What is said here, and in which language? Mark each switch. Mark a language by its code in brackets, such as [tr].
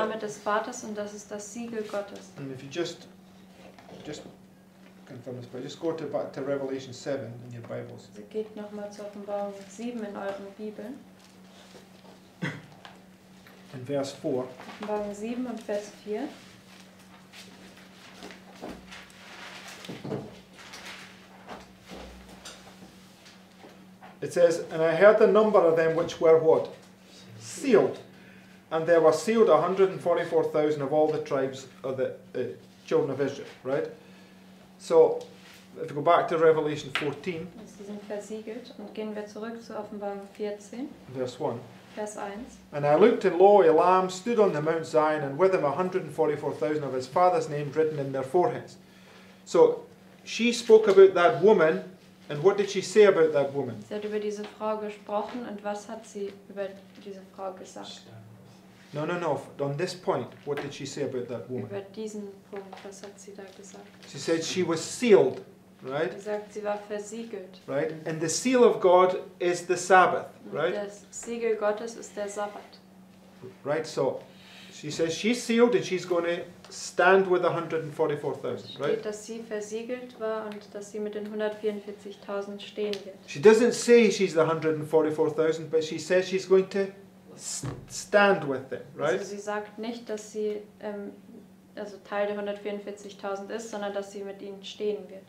[de] Der Name des Vaters, und das ist das Siegel Gottes. [en] And if you just confirm this, but just go to Revelation 7 in your Bibles. [de] Also geht noch mal zur Offenbarung 7 in euren Bibeln. In Vers 4. Offenbarung 7 und Vers 4. [en] It says, and I heard the number of them which were what? Sealed. And there were sealed 144,000 of all the tribes of the children of Israel, right? So, if we go back to Revelation 14. [de] Sie sind versiegelt. Und gehen wir zurück zu Offenbarung 14. [en] Verse 1. [de] Vers 1. [en] And I looked, and lo, a lamb stood on the Mount Zion, and with him 144,000 of his father's name written in their foreheads. So, she spoke about that woman. And what did she say about that woman? [de] Sie hat über diese Frau gesprochen, und was hat sie über diese Frau gesagt? [en] No. On this point, what did she say about that woman? [de] Über diesen Punkt, was hat sie da gesagt? [en] She said she was sealed, right? [de] Sie sagt, sie war versiegelt. [en] Right? And the seal of God is the Sabbath, right? [de] Das Siegel Gottes ist der Sabbat. [en] Right, so she says she's sealed and she's going to stand with 144,000, right? [de] Steht, dass sie versiegelt war und dass sie mit den 144,000 stehen wird. [en] She doesn't say she's the 144,000, but she says she's going to stand with them, right? [de] Also sie sagt nicht, dass sie also Teil der 144,000 ist, sondern dass sie mit ihnen stehen wird.